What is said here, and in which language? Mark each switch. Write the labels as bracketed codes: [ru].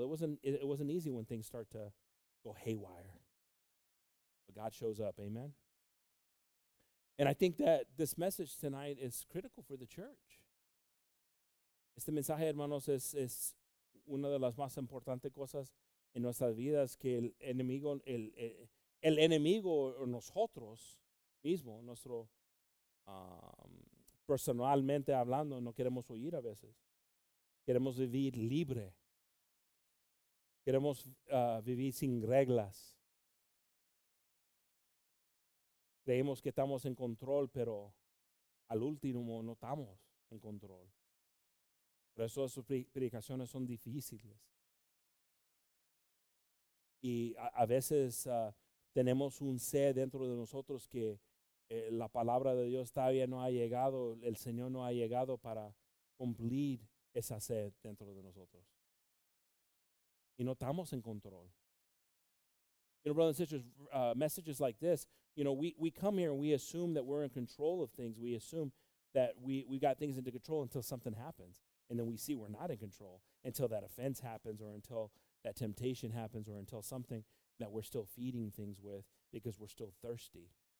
[en] It wasn't easy when things start to go haywire. But God shows up, amen? And I think that this message tonight is critical for the church. [es] Este mensaje, hermanos, es una de las más importantes cosas en nuestras vidas, que el enemigo o nosotros mismos, nuestro personalmente hablando, no queremos oír a veces. Queremos vivir libre. Queremos vivir sin reglas. Creemos que estamos en control, pero al último no estamos en control. Por eso sus predicaciones son difíciles. Y a veces tenemos un sed dentro de nosotros que la palabra de Dios todavía no ha llegado, el Señor no ha llegado para cumplir esa sed dentro de nosotros. Y no estamos en control. [en] You know, brothers and sisters, messages like this, you know, we come here and we assume that we're in control of things. We assume that we got things into control until something happens. And then we see we're not in control until that offense happens or until that temptation happens or until something that we're still feeding things with because we're still thirsty.